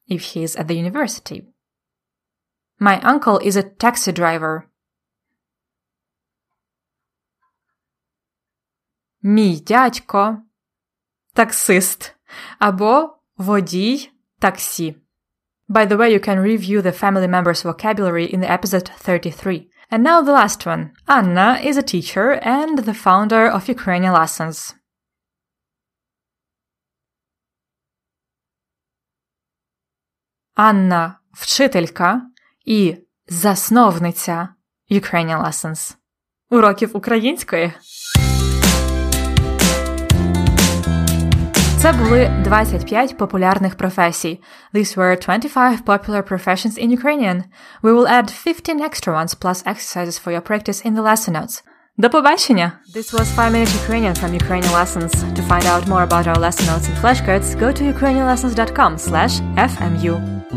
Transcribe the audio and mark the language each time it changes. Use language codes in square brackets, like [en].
[en] if he is at the university. My uncle is a taxi driver. [uk] Мій дядько – таксист або водій таксі. [en] By the way, you can review the family member's vocabulary in the episode 33. And now the last one. Anna is a teacher and the founder of Ukrainian Lessons. [uk] Анна – вчителька і засновниця Ukrainian Lessons. Уроків української! Це були 25 популярних професій. [en] These were 25 popular professions in Ukrainian. We will add 15 extra ones plus exercises for your practice in the lesson notes. [uk] До побачення! [en] This was 5 Minute Ukrainian from Ukrainian Lessons. To find out more about our lesson notes and flashcards, go to ukrainianlessons.com/fmu.